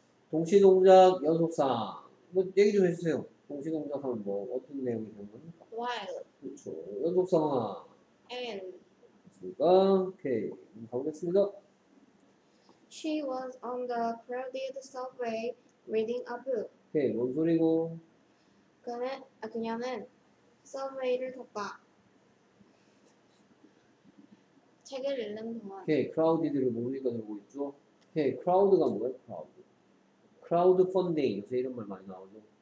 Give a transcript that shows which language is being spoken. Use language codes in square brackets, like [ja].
[ko] 동시동작 연속상. 뭐, 얘기 좀 해주세요. 동시동작하면 뭐 어떤 내용이 되는 겁니까? [en] While [ko] 그렇죠. 연속상황 [en] And [ko] 그렇습니까? 오케이. 가보겠습니다. [en] She was on the crowded subway reading a book. [ko] 오케이, 뭔 소리고? 그녀는 서브웨이를 탔다. 책을 읽는 동안. 오케이, crowded를 모르니까 되고 있죠? 오케이, crowd가 뭐야? crowd. crowdfunding. 요새 이런 말 많이 나오죠?